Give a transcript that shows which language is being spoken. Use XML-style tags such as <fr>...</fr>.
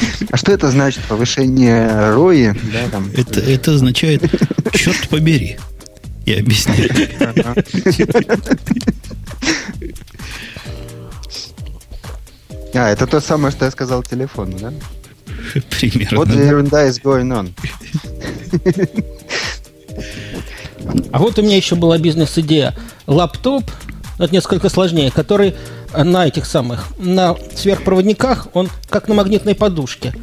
<ru>А что это значит, повышение рои? Это означает, черт побери, я объясню. А, это то самое, что я сказал телефону, да? Примерно.</ru> <en>What the</en> <ru>ерунда</ru> <en>is going on?</en> <ru>А вот у меня еще была бизнес-идея. Лаптоп, это несколько сложнее, который на этих самых, на сверхпроводниках, он как на магнитной подушке.</ru>